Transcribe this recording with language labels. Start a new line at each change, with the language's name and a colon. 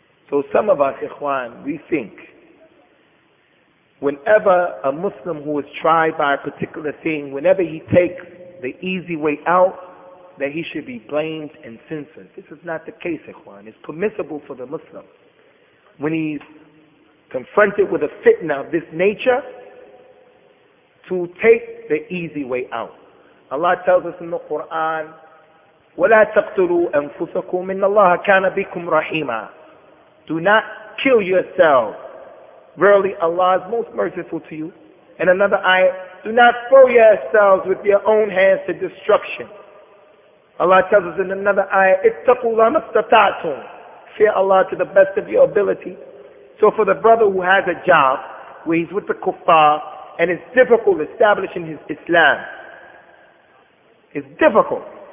English: So some of us, ikhwan, we think whenever a Muslim who is tried by a particular thing, whenever he takes the easy way out, that he should be blamed and censored. This is not the case, ikhwan. It's permissible for the Muslim, when he's confronted with a fitna of this nature, to take the easy way out. Allah tells us in the Quran,
Arabic: وَلَا تَقْتُلُوا أَنفُسَكُمْ إِنَّ اللَّهَ كَانَ بِكُمْ رَحِيمًا.
English: Do not kill yourselves. Verily Allah is most merciful to you. And another ayah, do not throw yourselves with your own hands to destruction. Allah tells us in another ayah,
Arabic: اِتَّقُوا لَمَا اسْتَطَعْتُمْ.
English: Fear Allah to the best of your ability. So for the brother who has a job, where he's with the kuffar, and it's difficult establishing his Islam, it's difficult.